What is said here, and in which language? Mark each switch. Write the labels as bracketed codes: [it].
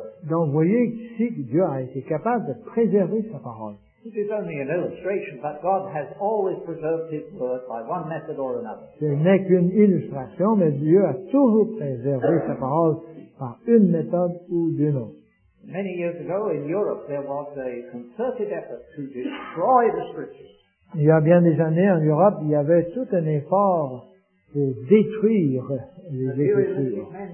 [fr] Donc, voyez ici que Dieu a été capable de préserver sa parole. Ce n'est qu'une illustration, mais Dieu a toujours préservé sa parole par une méthode ou d'une autre. [en] Many years ago in Europe, there was a concerted effort to destroy the scriptures. [fr] Il y a bien des années en Europe, il y avait tout un effort pour détruire les Écritures.